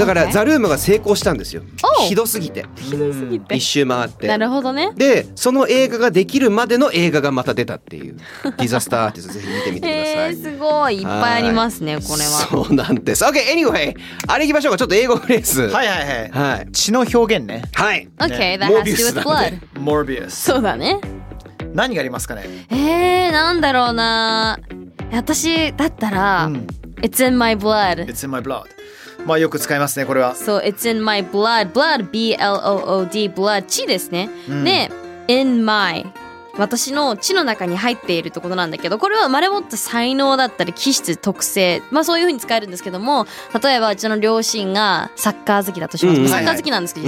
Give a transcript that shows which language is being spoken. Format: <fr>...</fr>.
<ja>だからザ・ルームが成功したんですよ。ひどすぎて、ひどすぎて一周回って。なるほどね。でその映画ができるまでの映画がまた出たっていう。ディザスターアーティスト、ぜひ見てみてください。すごいいっぱいありますね、これは。そうなんです。</ja> <en>OK anyway、</en> <ja>あれ行きましょうか。ちょっと英語フレーズ。はいはいはい、はい、血の表現ね。はい、</ja> <en>ね、OK that has to do with blood。</en> <ja>モービウス。そうだね。何がありますかね。なんだろうな。私だったら、うん、</ja> <en>It's in my blood。 It's in my blood。</en> <ja>まあよく使いますね、これは。</ja> <en>So it's in my blood。</en> <ja>Blood、 B-L-O-O-D、 Blood、 血ですね、うん、で、</ja> <en>In my、</en> <ja>私の血の中に入っているってことなんだけど、これはまれもって才能だったり気質、特性、まあそういう風に使えるんですけども、例えばうちの両親がサッカー好きだとします、うん、サッカー好きなんですけど、</ja>